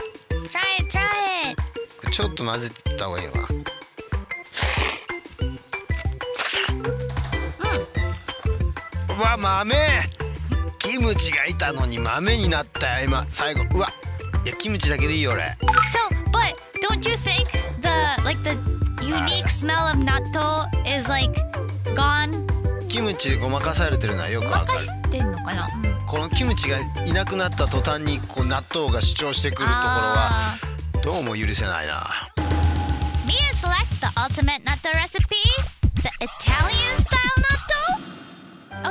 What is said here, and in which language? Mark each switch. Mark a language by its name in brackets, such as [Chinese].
[English] Try it, try it. [Japanese] これちょっと混ぜてた方がいいわ。うわ、豆。キムチがいたのに豆になったよ、今、最後。うわ、いや、キムチだけでいいよ、俺。 [English] So, but, don't you think the, like the,unique smell of natto is like gone. [Japanese] キムチでごまかされてるのはよくわかる。ごまかしてんのかな。うん、このキムチがいなくなった途端にこう納豆が主張してくるところはどうも許せないな。 [English] Mia select the ultimate natto recipe, the Italian style natto.